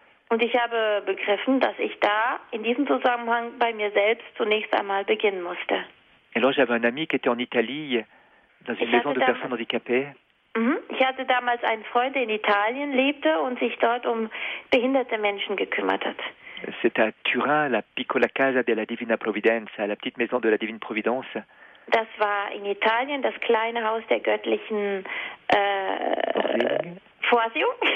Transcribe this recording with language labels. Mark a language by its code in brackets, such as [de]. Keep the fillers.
[de] Und ich habe begriffen, dass ich da in diesem Zusammenhang bei mir selbst zunächst einmal beginnen musste. [fr] Et alors j'avais un ami qui était en Italie, dans une maison de personnes handicapées. [de] Ich hatte damals einen Freund, der in Italien lebte und sich dort um behinderte Menschen gekümmert hat. [fr] C'est à Turin, la Piccola Casa della Divina Providenza, la petite maison de la divine Providence. [de] Das war in Italien das kleine Haus der göttlichen äh, Vorsehung.